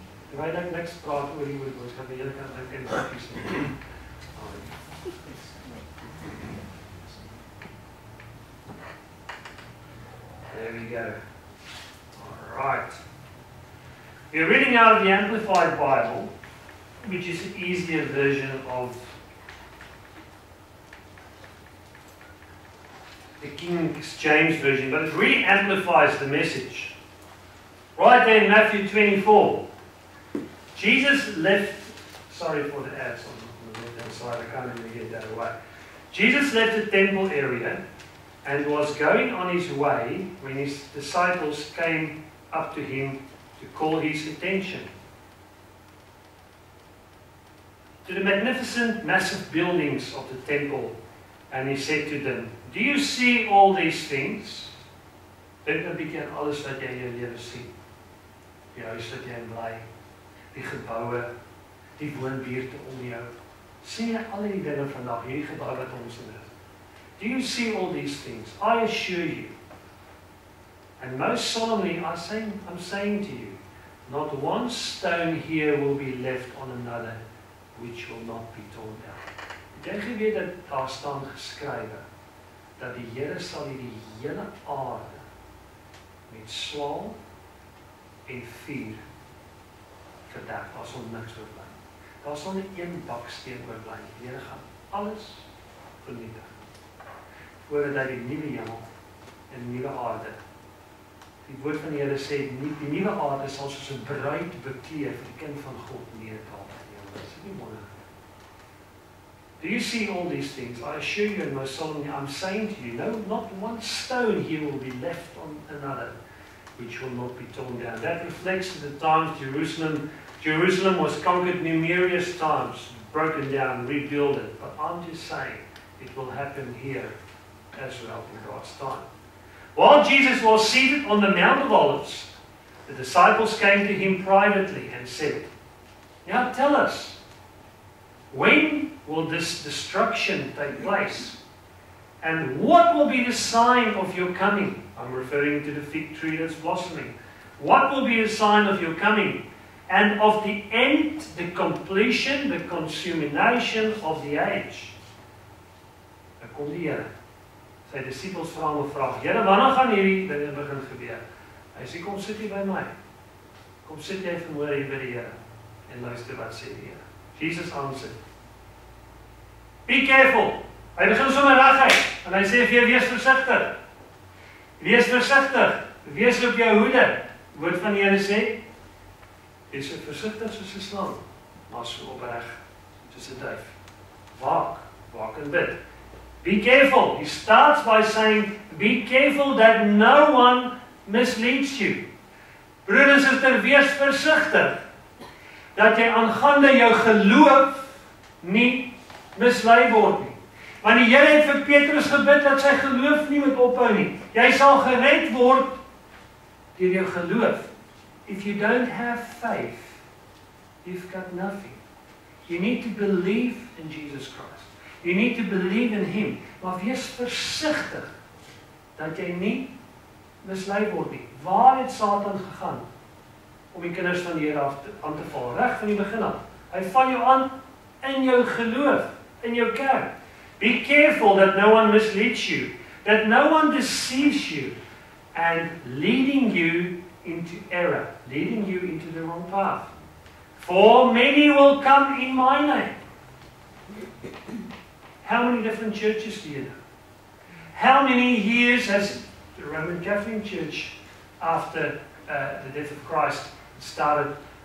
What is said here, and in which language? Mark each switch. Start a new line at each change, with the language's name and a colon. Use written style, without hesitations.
Afrikaans: Terwijl ek niks praat oor die woord, ons gaan die hele kant ook in koekies en tee.
English: There we go. All right. We're reading out of the Amplified Bible, which is an easier version of the King James Version, but it re-amplifies the message. Right there in Matthew 24, Jesus left... Sorry for the ads on the left-hand side. I can't even get that away. Jesus left the temple area and was going on his way when his disciples came up to him to call his attention to the magnificent, massive buildings of the temple. And he said to them, do you see all these things?
Afrikaans: Dink nou bietjie aan alles wat jy in jou lewe sien. Die huis wat jy bly, die geboue, die woonbuurte om jou. Sien jy al die dinge vandag, hierdie gebou wat ons in is?
English: Do you see all these things? I assure you, and most solemnly I'm saying to you, not one stone here will be left on another which will not be torn down.
Afrikaans: Het jy geweet dat daar staan geskrywe, dat die Here sal hierdie hele aarde met swaal en vuur verderf, daar sal niks oorblij. Daar sal nie een baksteen oorblij, die Here gaan alles vernietig. voordat hy die nuwe hemel en die nuwe aarde. Die woord van die Here sê die nuwe aarde sal soos 'n bruid bekleed vir die kind van God neerdaal in die hemel. Is dit nie mooi?
English: Do you see all these things? I assure you and most solemnly, I'm saying to you, no, not one stone here will be left on another, which will not be torn down. That reflects the times Jerusalem was conquered numerous times, broken down, rebuilt it. But I'm just saying, it will happen here as well in God's time. While Jesus was seated on the Mount of Olives, the disciples came to him privately and said, now tell us, when will this destruction take place? And what will be the sign of your coming? I'm referring to the fig tree that's blossoming. What will be the sign of your coming? And of the end, the completion, the consummation of the age.
Afrikaans: Daar kom die Here. Sy disciples vra hom 'n vraag. Here, wanneer gaan hierdie dinge begin gebeur? Hy sê, kom sit hier by my. Kom sit jy vanhoor hier by die Here. En luister wat sê die Here. Jesus antwoord.
English: Be careful.
Afrikaans: Hy begin sommer reguit. En hy sê vir jou, wees versigtig. Wees versigtig. Wees op jou hoede. Woord van die Here sê, wees versigtig soos 'n slang, maar so opreg soos 'n duif. Waak, waak en bid.
English: Be careful. He starts by saying, be careful that no one misleads you.
Afrikaans: Broer en suster, wees versigtig dat jy aangaande jou geloof nie mislei word nie. Want die Here het vir Petrus gebid dat sy geloof nie moet ophou nie. Jy sal gered word deur jou geloof.
English: If you don't have faith, you've got nothing. You need to believe in Jesus Christ. You need to believe in Him.
Afrikaans: Maar wees versigtig dat jy nie mislei word nie. Waar het Satan gegaan om die kinders van die Here aan te val? Reg van die begin af. Hy vang jou aan in jou geloof, in jou kerk.
English: Be careful that no one misleads you, that no one deceives you, and leading you into error, leading you into the wrong path. For many will come in my name. How many different churches do you know? How many years has the Roman Catholic Church, after the death of Christ, started?